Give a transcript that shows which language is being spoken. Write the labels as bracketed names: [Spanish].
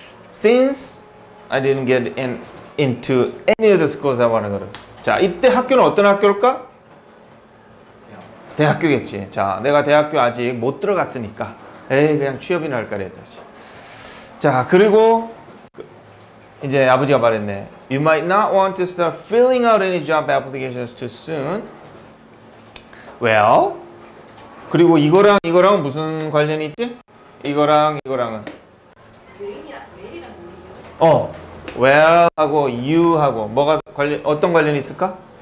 [English] Since I didn't get into any of the schools I wanted to go. [Korean] 자, 이때 학교는 어떤 학교일까? 대학교겠지. 자, 내가 대학교 아직 못 들어갔으니까 에이 그냥 취업이나 할까 이랬지. 자, 그리고 이제 아버지가 말했네. [English] You might not want to start filling out any job applications too soon. [Korean] Well, 그리고 이거랑 이거랑 무슨 관련이 있지? 이거랑 이거랑은. 메일이랑 뭐예요? Well 하고 you 하고 뭐가 관련 어떤 관련이 있을까?